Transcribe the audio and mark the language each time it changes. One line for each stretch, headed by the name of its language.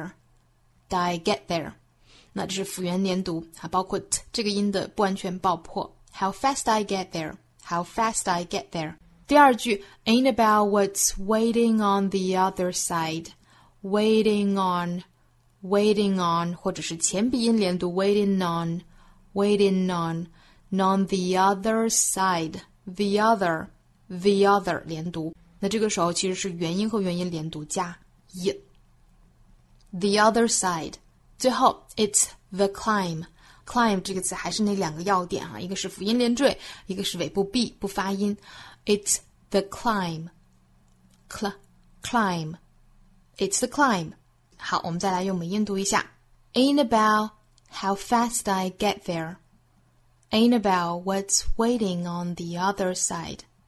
English: Ain't about how fast I get there.
Chinese: 那这是辅元连读，还包括 t 这个音的不完全爆破。
English: How fast I get there. 第二句，Ain't about what's waiting on the other side. Waiting on, 或者是前鼻音连读 waiting on the other side 连读。
Chinese: 那这个时候其实是元音和元音连读加 y the other side。最后 it's the climb， climb 这个词还是那两个要点哈、啊，一个是辅音连缀，一个是尾部 b 不发音。
English: It's the climb, climb. It's the climb.
Chinese: 好，我们再来用美音读一下。
English: Ain't about how fast I get there. Ain't about what's waiting on the other side.